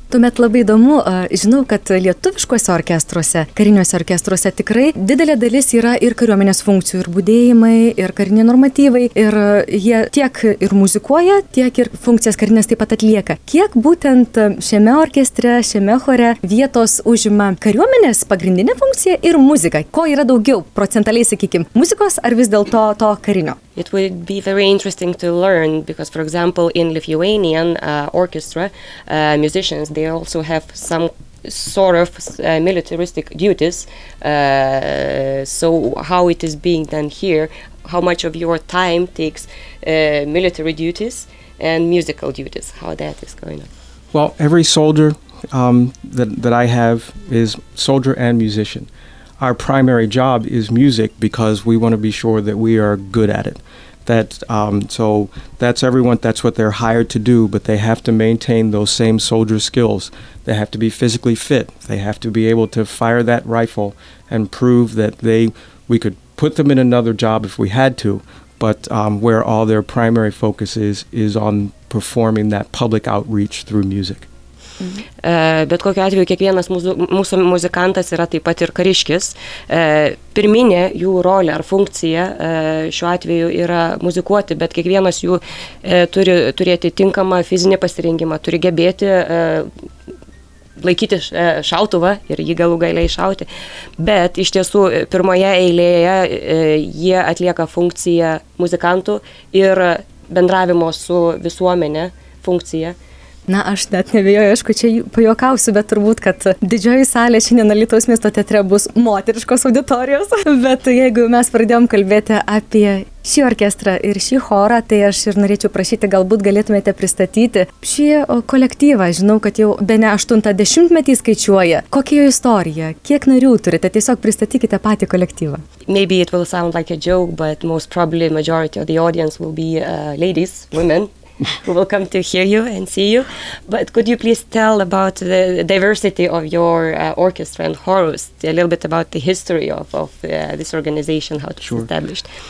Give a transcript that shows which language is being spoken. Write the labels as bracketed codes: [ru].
[lt] Tuomet labai įdomu, žinau, kad lietuviškuose orkestruose, kariniuose orkestruose tikrai didelė dalis yra ir kariuomenės funkcijų, ir budėjimai, ir kariniai normatyvai, ir jie tiek ir muzikuoja, tiek ir funkcijas karinės taip pat atlieka. Kiek būtent šiame orkestre, šiame chore vietos užima kariuomenės pagrindinė funkcija ir muzika? Ko yra daugiau procentaliai, sakykime, muzikos ar vis dėl to, to karinio? [en] It would be very interesting to learn because, for example, in Lithuanian orchestra, musicians, they also have some sort of militaristic duties. So how it is being done here, how much of your time takes military duties and musical duties, how that is going on? Well, every soldier that I have is soldier and musician. Our primary job is music because we want to be sure that we are good at it. So that's everyone, that's what they're hired to do, but they have to maintain those same soldier skills. They have to be physically fit. They have to be able to fire that rifle and prove that we could put them in another job if we had to, but where all their primary focus is on performing that public outreach through music. [lt] Bet kokiu atveju kiekvienas mūsų muzikantas yra taip pat ir kariškis. Pirminė jų rolė ar funkcija šiuo atveju yra muzikuoti, bet kiekvienas jų turi turėti tinkamą fizinį pasirengimą, turi gebėti laikyti šautuvą ir jį galų gailiai iššauti. Bet iš tiesų pirmoje eilėje jie atlieka funkciją muzikantų ir bendravimo su visuomenė funkciją. Na, aš net nebejoju, aišku, čia pajokausiu, bet turbūt, kad didžioji salė šiandien Alytaus miesto teatre bus moteriškos auditorijos. Bet jeigu mes pradėjom kalbėti apie šį orkestrą ir šį chorą, tai aš ir norėčiau prašyti, galbūt galėtumėte pristatyti šį kolektyvą. Žinau, kad jau bene 80-metį skaičiuoja. Kokia jo istorija? Kiek narių turite? Tiesiog pristatykite patį kolektyvą. [en] Maybe it will sound like a joke, but most probably majority of the audience will be ladies, women. We will come to hear you and see you, but could you please tell about the diversity of your orchestra and chorus, a little bit about the history of this organization, how it was established?